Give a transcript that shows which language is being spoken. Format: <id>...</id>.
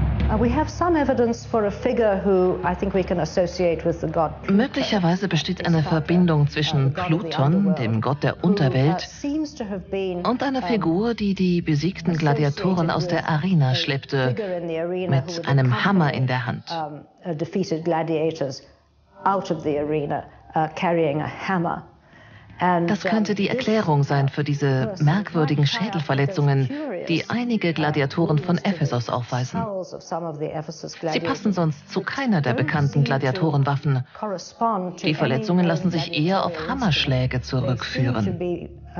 <de>Möglicherweise besteht eine Verbindung zwischen Pluton, dem Gott der Unterwelt, und einer Figur, die die besiegten Gladiatoren aus der Arena schleppte, mit einem Hammer in der Hand.</de> <en>Defeated gladiators out of the arena, carrying a hammer.</en> <de>Das könnte die Erklärung sein für diese merkwürdigen Schädelverletzungen, die einige Gladiatoren von Ephesus aufweisen. Sie passen sonst zu keiner der bekannten Gladiatorenwaffen. Die Verletzungen lassen sich eher auf Hammerschläge zurückführen.</de>